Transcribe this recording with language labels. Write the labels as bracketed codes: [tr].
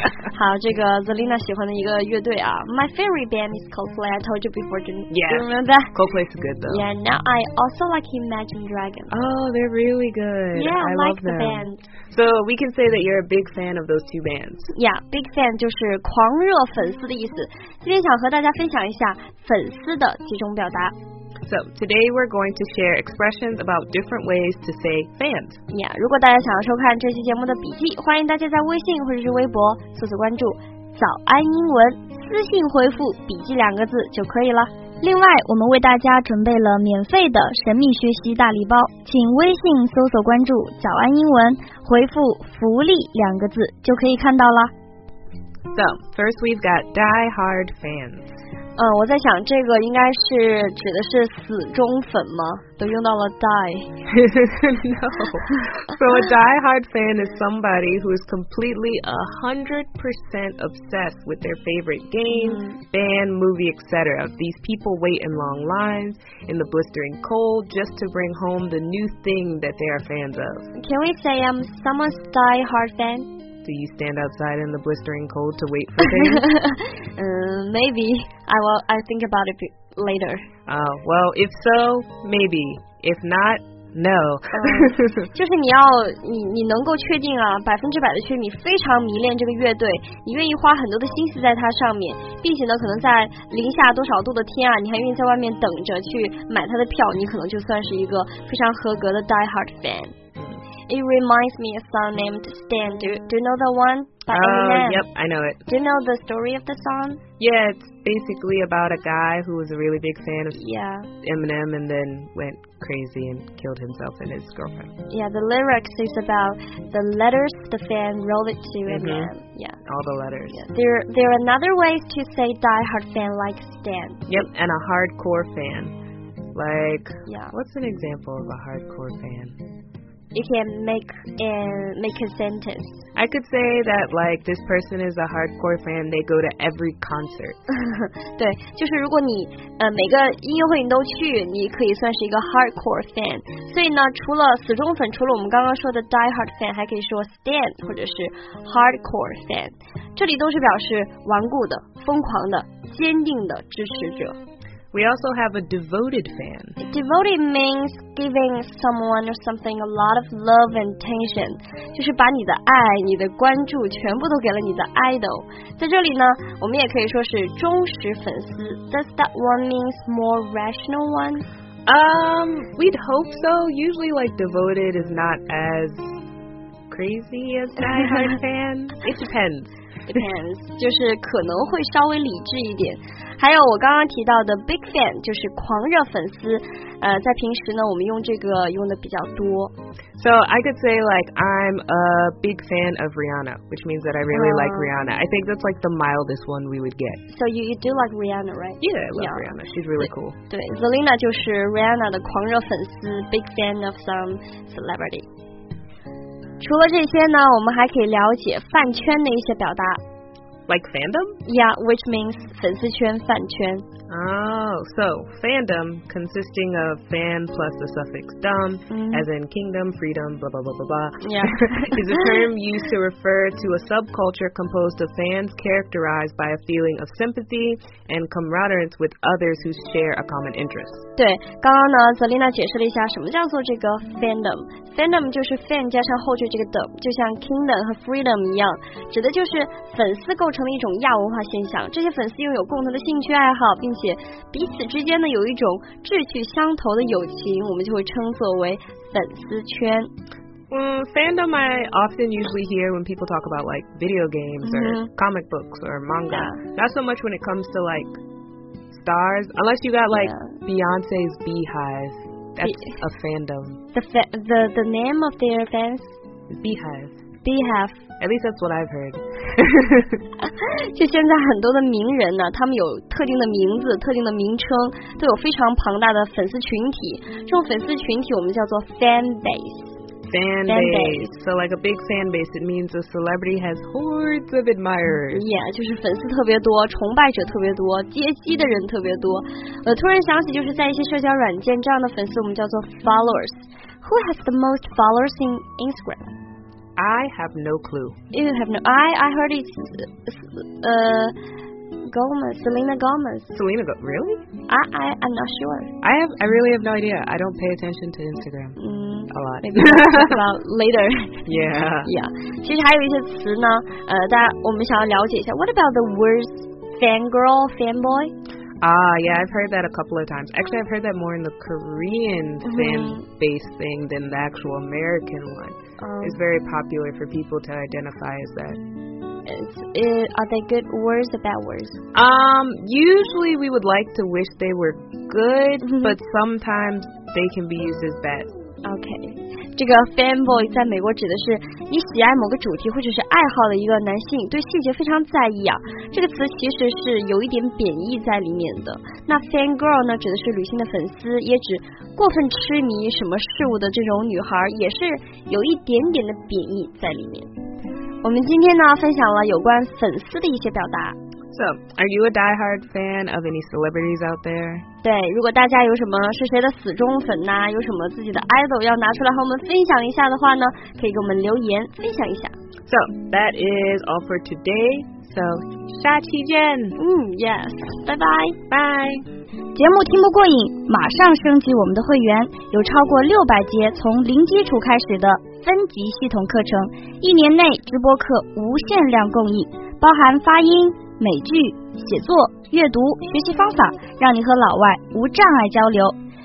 [zh] 好，这个 Zelina 喜欢的一个乐队啊。 [en] My favorite band is Coldplay. I told you before, yeah. Do you remember that? Coldplay's good though. Yeah, now I also like Imagine Dragons. Oh, they're really good. Yeah, I like love them. The band. So we can say that you're a big fan of those two bands. [zh] Yeah, big fan 就是狂热粉丝的意思。今天想和大家分享一下粉丝的几种表达。 [en] So, today we're going to share expressions about different ways to say fans. [zh] Yeah, 如果大家想要收看这期节目的笔记，欢迎大家在微信或者是微博搜索关注早安英文，私信回复笔记两个字就可以了。另外，我们为大家准备了免费的神秘学习大礼包，请微信搜索关注早安英文，回复福利两个字就可以看到了。 [en] So, first we've got die hard fans. [zh] 我在想这个应该是指的是死忠粉吗？都用到了 die. [en] No. So a diehard fan is somebody who is completely 100% obsessed with their favorite game, band, movie, etc. These people wait in long lines in the blistering cold just to bring home the new thing that they are fans of. Can we say I'm someone's diehard fan? Do you stand outside in the blistering cold to wait for things? maybe. I think about it later. Well, if so, maybe. If not, no. [zh] 就是你能够确定啊，百分之百的确定你非常迷恋这个乐队，你愿意花很多的心思在它上面，并且呢，可能在零下多少度的天啊，你还愿意在外面等着去买它的票，你可能就算是一个非常合格的 diehard fan. [en] It reminds me of a song named Stan. Do you know the one by Eminem? Yep, I know it. Do you know the story of the song? Yeah, it's basically about a guy who was a really big fan of Eminem and then went crazy and killed himself and his girlfriend. Yeah, the lyrics is about the letters the fan wrote it to Eminem. Yeah. All the letters. Yeah. There are another ways to say diehard fan like Stan. Yep, and a hardcore fan. Like, what's an example of a hardcore fan? You can make a sentence. I could say that, like, this person is a hardcore fan. They go to every concert. [zh] 对，就是如果你每个音乐会你都去，你可以算是一个 hardcore fan. 所以呢，除了死忠粉，除了我们刚刚说的 diehard fan， 还可以说 stan 或者是 hardcore fan. 这里都是表示顽固的、疯狂的、坚定的支持者。 [en] We also have a devoted fan. Devoted means giving someone or something a lot of love and attention. [zh] 就是把你的爱、你的关注全部都给了你的 idol. 在这里呢，我们也可以说是忠实粉丝。 [en] Does that one mean more rational one? We'd hope so. Usually, like, devoted is not as crazy as diehard fan. It depends. [zh] Depends, 就是可能会稍微理智一点。还有我刚刚提到的 big fan, 就是狂热粉丝。在平时呢，我们用这个用的比较多。 [en] So I could say like I'm a big fan of Rihanna, which means that I really like Rihanna. I think that's like the mildest one we would get. So you do like Rihanna, right? Yeah, I love Rihanna. She's really cool. [zh] 对 ，Zelina 就是 Rihanna 的狂热粉丝 ， [en] big fan of some celebrity. [zh] 除了这些呢，我们还可以了解饭圈的一些表达。 [en] Like fandom? Yeah, which means [zh] 粉丝圈、饭圈。 [en] Oh, so fandom consisting of fan plus the suffix dom, as in kingdom, freedom, blah, blah, blah, blah, blah. Yeah. is a term used to refer to a subculture composed of fans characterized by a feeling of sympathy and camaraderie with others who share a common interest. [zh] 对，刚刚呢 ，Zelina 解释了一下什么叫做这个 fandom. Fandom 就是 fan 加上后缀这个 dom, 就像 kingdom 和 freedom 一样，指的就是粉丝构成的一种亚文化现象。这些粉丝拥有共同的兴趣爱好。并且彼此之间呢有一种志趣相投的友情，我们就会称作为粉丝圈。 [en] Fandom I often usually hear when people talk about like video games or comic books or manga. Not so much when it comes to like stars, unless you got like Beyonce's Beehive. That's a fandom. The name of their fans? Beehive. Beehive. At least that's what I've heard. [zh] 就现在很多的名人呢，他们有特定的名字、特定的名称，都有非常庞大的粉丝群体。这种粉丝群体我们叫做 fan base。 [en] Fan base. So like a big fan base, it means a celebrity has hordes of admirers. [zh] Yeah, 就是粉丝特别多，崇拜者特别多，接机的人特别多。突然想起就是在一些社交软件，这样的粉丝我们叫做 followers. [en] Who has the most followers in Instagram? I have no clue. You have no. I heard it's Gomez, Selena Gomez. Selena, really? I'm not sure. I really have no idea. I don't pay attention to Instagram a lot. Maybe we'll talk about later. Yeah. Yeah. [zh] 其实还有一些词呢，大家我们想要了解一下。 [en] What about the words fangirl, fanboy? Ah, yeah, I've heard that a couple of times. Actually, I've heard that more in the Korean fan base thing than the actual American one. It's very popular for people to identify as that. Are they good words or bad words? Usually we would like to wish they were good, but sometimes they can be used as bad. Okay. [zh] 这个 fanboy 在美国指的是你喜爱某个主题或者是爱好的一个男性，对细节非常在意啊。这个词其实是有一点贬义在里面的。那 fangirl 呢，指的是女性的粉丝，也指过分痴迷什么事物的这种女孩，也是有一点点的贬义在里面。我们今天呢，分享了有关粉丝的一些表达。 [en] So, are you a diehard fan of any celebrities out there? [zh] 对，如果大家有什么是谁的死忠粉呐，有什么自己的 idol 要拿出来和我们分享一下的话呢，可以给我们留言分享一下。 [en] So, that is all for today. So, [zh] 下期见。 [en] Yes, bye bye. Bye. [zh] 节目听不过瘾，马上升级我们的会员，有超过600节从零基础开始的分级系统课程，一年内直播课无限量供应，包含发音、美剧、写作、阅读、学习方法，让你和老外无障碍交流。